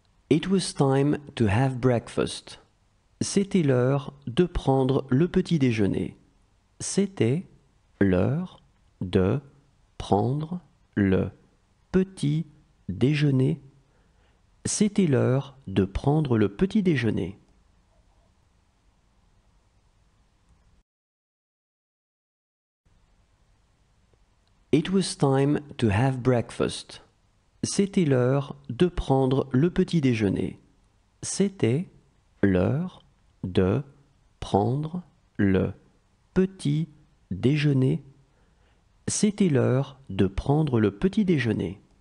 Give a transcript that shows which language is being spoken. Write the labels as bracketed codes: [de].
[en] It was time to have breakfast. [fr] C'était l'heure de prendre le petit déjeuner. C'était l'heure de prendre le petit déjeuner. C'était l'heure de prendre le petit déjeuner. [en] It was time to have breakfast. [fr] C'était l'heure de prendre le petit déjeuner. C'était l'heure de prendre le petit déjeuner. C'était l'heure de prendre le petit déjeuner.